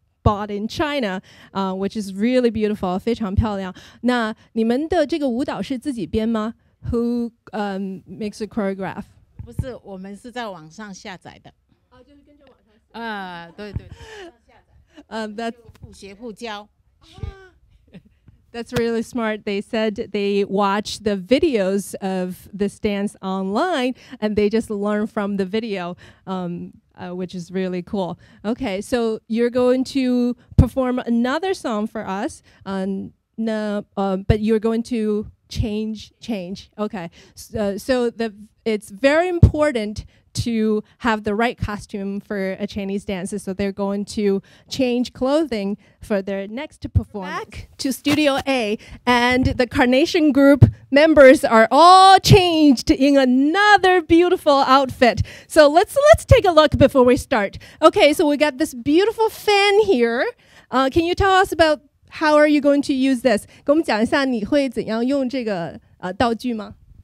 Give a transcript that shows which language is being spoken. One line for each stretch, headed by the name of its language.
English: Bought in China, which is really beautiful,
Chinese: 非常漂亮。那你们的这个舞蹈是自己编吗？
English: Who makes a choreograph?
Chinese: 不是，我们是在网上下载的。就是跟着网上下载。对。
English: That's
Chinese: 互学互教。
English: That's really smart. They said they watch the videos of this dance online, and they just learn from the video. which is really cool. Okay, so you're going to perform another song for us, but you're going to change. Okay, it's very important to have the right costume for a Chinese dance, so they're going to change clothing for their next performance. Back to Studio A, and the Carnation Group members are all changed in another beautiful outfit. So let's take a look before we start. Okay, so we got this beautiful fan here. Can you tell us about how are you going to use this? 跟我们讲一下你会怎样用这个道具吗？